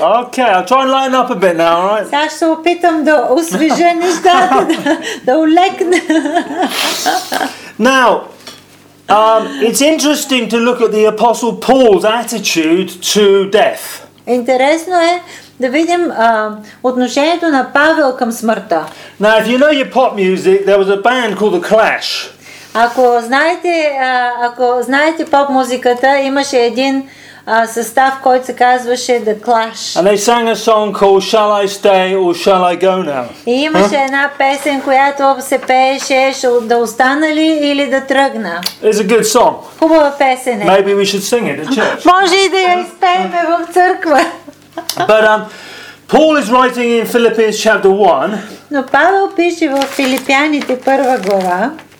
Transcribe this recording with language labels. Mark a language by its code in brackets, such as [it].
[en] Okay, I'll try and lighten up a bit now, all right? [bg] Сега ще опитам да освежа нещата, да улекна. [en] Now, it's interesting to look at the Apostle Paul's attitude to death. [bg] Интересно е да видим отношението на Павел към смъртта. [en] Now, if you know your pop music, there was a band called The Clash. [bg] Ако знаете поп музиката, имаше един състав, който се казваше The Clash. [en] And they sang a song called Shall I Stay or Shall I Go Now? [bg] И имаше една песен, която се пееше да остана ли или да тръгна. [en] It's a good song. [bg] Хубава песен е. [en] Maybe we should sing it at church. [bg] Може и да я изпеем в църква. [en] But Paul is writing in Philippians chapter 1. [bg] Но Павел пише в Филипяните първа глава.